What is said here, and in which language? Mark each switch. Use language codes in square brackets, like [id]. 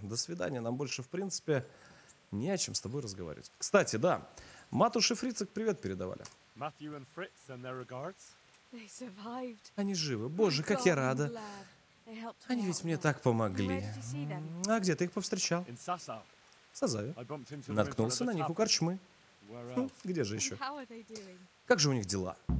[ru] До свидания, нам больше, в принципе, не о чем с тобой разговаривать. Кстати, да, Матуш и Фрицек привет передавали. [en] Matthew and Fritz and their regards. They survived. [ru] Они живы. Боже, как я рада. Они ведь мне так помогли. А где ты их повстречал? В Сазаве. Наткнулся на них у корчмы. Где же еще? Как же у них дела?